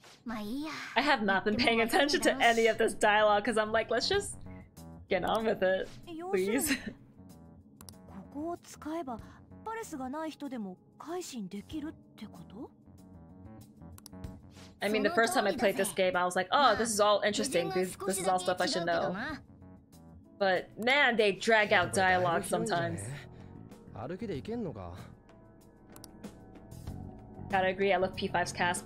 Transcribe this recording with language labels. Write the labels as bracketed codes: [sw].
[en] I have not been paying attention to any of this dialogue because I'm like, let's just get on with it, please. [ja] ここを使えばパレスがない人でも改心できるってこと? [en] I mean, the first time I played this game, I was like, oh, this is all interesting. This is all stuff I should know. But man, they drag out dialogue sometimes. Gotta agree, I love P5's cast.